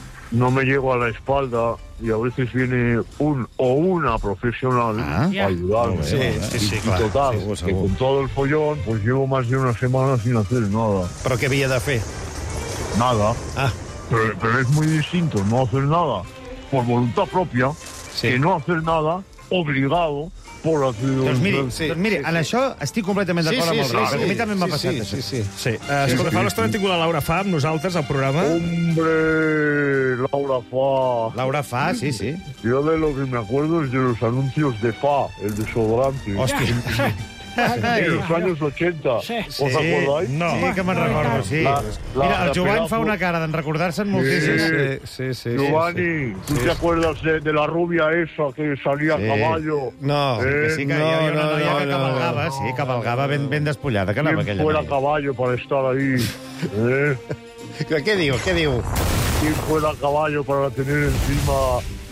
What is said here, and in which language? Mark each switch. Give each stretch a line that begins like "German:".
Spanish: No me llego a la espalda y a veces viene un o una profesional a ayudarme. Sí, claro, con todo el follón, pues llevo más de una semana sin hacer nada. ¿Pero qué había de hacer? Nada. Ah. Pero es muy distinto no hacer nada por voluntad propia que no hacer nada obligado.
Catalan: Això estic completament d'acord amb el Raúl, perquè a mi també m'ha passat això. Escolta, fa una estona hem tingut la Laura Fa amb nosaltres al programa.
Spanish: Hombre, Laura Fa. Laura Fa, sí, sí. Yo de lo que me acuerdo es de los anuncios de Fa, el desodorante.
Catalan: Hòstia.
Spanish: En los años 80. ¿Os acordáis?
Catalan: Sí, que me'n recordo, sí. Mira, el Giovanni fa una cara d'en recordar-se'n moltíssim. Sí.
Spanish: Giovanni, ¿tú te acuerdas de la rubia esa que salía a caballo?
Catalan: No, que cabalgava ben despullada. Que anava aquella noia?
Spanish: ¿Quién fue a caballo para estar ahí?
Catalan: Què diu?
Spanish: ¿Quién fue a caballo para tener encima...